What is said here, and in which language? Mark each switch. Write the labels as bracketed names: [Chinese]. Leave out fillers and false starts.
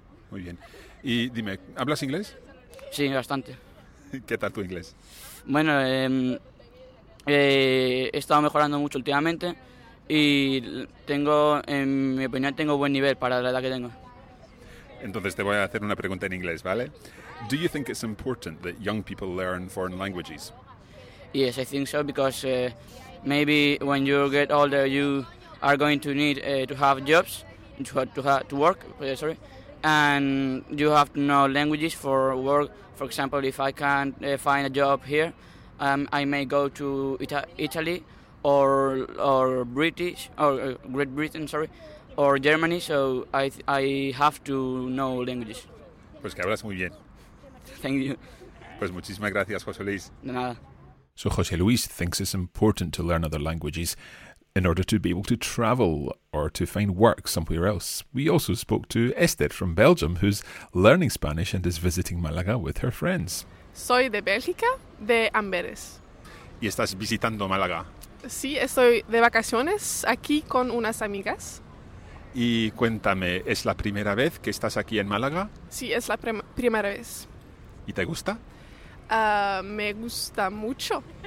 [Spanish] Muy bien. Y dime, ¿hablas inglés? Sí, bastante. ¿Qué tal tu inglés? Bueno, he estado mejorando mucho últimamente y tengo, en mi opinión, tengo buen nivel para la edad que tengo. Entonces te voy a hacer una pregunta en inglés, ¿vale? [English] Do you think it's important that young people learn foreign languages? Yes, I think so, because maybe when you get older, you are going to need to have jobs, to work, sorry, and you have to know languages for work. For example, if I can't find a job here, I may go to Italy or Great Britain, or Germany. So I have to know languages. [Spanish] Pues que hablas muy bien. [English] Thank you. [Spanish] Pues muchísimas gracias, José Luis. De nada. [English] So José Luis thinks it's important to learn other languages in order to be able to travel or to find work somewhere else. We also spoke to Esther from Belgium, who's learning Spanish and is visiting Málaga with her friends. [Spanish] Soy de Bélgica, de Amberes. ¿Y estás visitando Málaga? Sí, estoy de vacaciones aquí con unas amigas. Y cuéntame, ¿es la primera vez que estás aquí en Málaga? Sí, es la primera vez. ¿Y te gusta? Me gusta mucho.